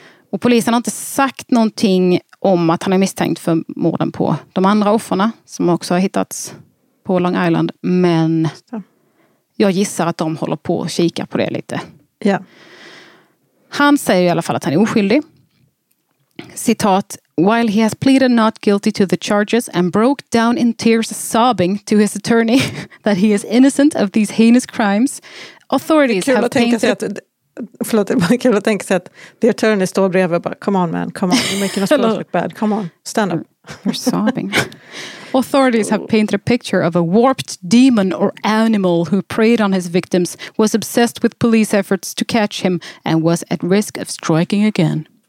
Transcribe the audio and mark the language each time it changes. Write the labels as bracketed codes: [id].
[sv] Och polisen har inte sagt någonting om att han är misstänkt för morden på de andra offerna som också har hittats på Long Island. Men jag gissar att de håller på att kika på det lite. Ja. Han säger i alla fall att han är oskyldig. [en] Citat: "While he has pleaded not guilty to the charges and broke down in tears sobbing to his attorney that he is innocent of these heinous crimes, authorities have painted..." [sv] Förlåt, det är kul att tänka sig att [en] the attorney [sv] står bredvid och bara, [en] come on man, come on, you're making us look bad, come on, stand up. You're sobbing. "Authorities have painted a picture of a warped demon or animal who preyed on his victims, was obsessed with police efforts to catch him, and was at risk of striking again."